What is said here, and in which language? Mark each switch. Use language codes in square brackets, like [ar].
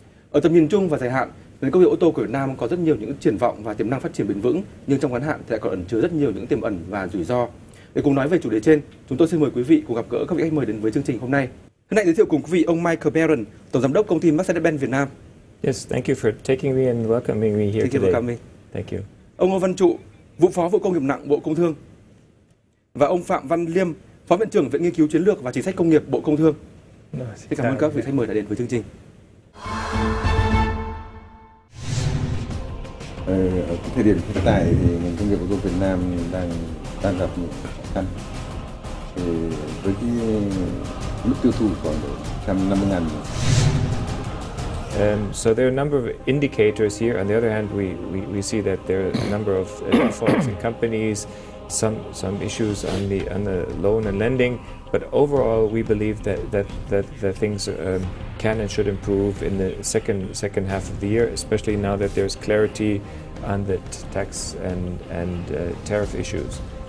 [vi] Ở tầm nhìn chung và dài hạn, nền công nghiệp ô tô của Việt Nam có rất nhiều những triển vọng và tiềm năng phát triển bền vững, nhưng trong ngắn hạn thì lại còn ẩn chứa rất nhiều những tiềm ẩn và rủi ro. Để cùng nói về chủ đề trên, chúng tôi xin mời quý vị cùng gặp gỡ các vị khách mời đến với chương trình hôm nay. Hôm nay giới thiệu cùng quý vị ông Michael Barron, tổng giám đốc công ty Mercedes-Benz Việt Nam. [en] Yes, thank you for taking me and welcoming me here today. Thank you. [vi] Ông Ngô Văn Trụ, vụ phó vụ công nghiệp nặng Bộ Công Thương. Và ông Phạm Văn Liêm, phó viện trưởng Viện Nghiên cứu Chiến lược và Chính sách Công nghiệp Bộ Công Thương. Xin cảm ơn các vị khách mời đã đến với chương trình. Ở cái thời điểm hiện tại thì ngành công nghiệp ô tô Việt Nam đang gặp những khó khăn. Thì với cái mức tiêu thụ khoảng 150.000. [en] So there are a number of indicators here. On the other hand, we see that there are a number of defaults in companies, some issues on the loan and lending. But overall, we believe that things can and should improve in the second half of the year, especially now that there's clarity on the tax and tariff issues.